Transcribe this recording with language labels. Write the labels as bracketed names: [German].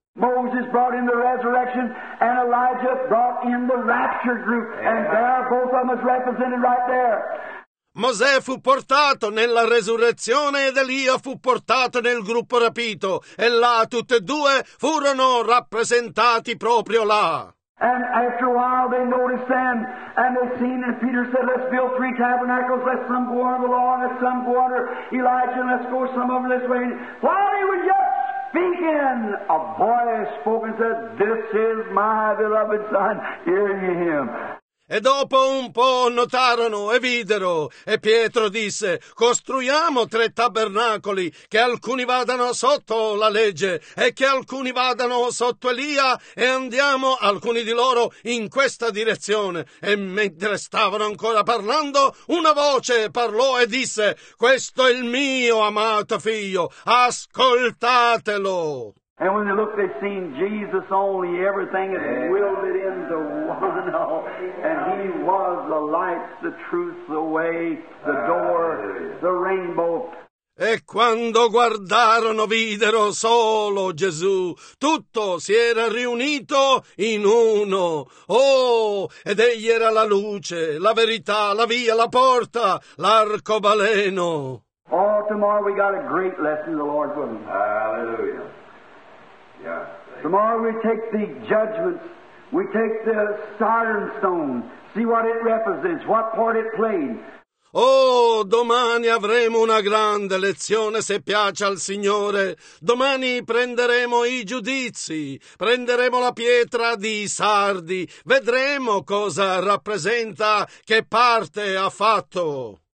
[English] Moses brought in the resurrection, and Elijah brought in the rapture group, and there both of them is represented right there. [Italian] Mosè fu portato nella resurrezione ed Elia fu portato nel gruppo rapito, e là tutte e due furono rappresentati proprio là. [English] And after a while they noticed them, and they seen, and Peter said, "Let's build three tabernacles, let some go under the law, let some go under Elijah, and let's go some of them this way." While they were yet speaking, a voice spoke and said, "This is my beloved son, hear ye him." [Italian] E dopo un po' notarono e videro, e Pietro disse: "Costruiamo tre tabernacoli, che alcuni vadano sotto la legge e che alcuni vadano sotto Elia, e andiamo alcuni di loro in questa direzione." E mentre stavano ancora parlando, una voce parlò e disse: "Questo è il mio amato figlio, ascoltatelo." [English] And when they looked, they seen Jesus only. Everything is wielded into one. And he was the light, the truth, the way, the door, the rainbow. [Italian] E quando guardarono, videro solo Gesù. Tutto si era riunito in uno. Oh, ed egli era la luce, la verità, la via, la porta, l'arcobaleno. [English] Oh, tomorrow we got a great lesson, the Lord will. Hallelujah. Tomorrow we take the judgments, we take the Sardis stone, see what it represents, what part it played. [Italian] Oh, domani avremo una grande lezione, se piace al Signore. Domani prenderemo i giudizi, prenderemo la pietra di Sardi, vedremo cosa rappresenta, che parte ha fatto.